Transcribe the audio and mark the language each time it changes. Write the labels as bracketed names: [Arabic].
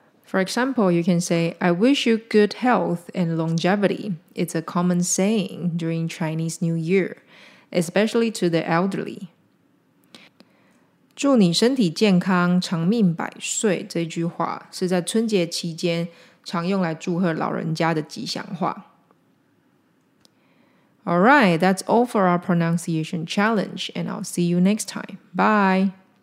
[English] For example, you can say, I wish you good health and longevity. It's a common saying during Chinese New Year, especially to the elderly. [Chinese] 祝你身体健康，长命百岁，这句话是在春节期间常用来祝贺老人家的吉祥话。 [English] Alright, that's all for our pronunciation challenge, and I'll see you next time. Bye!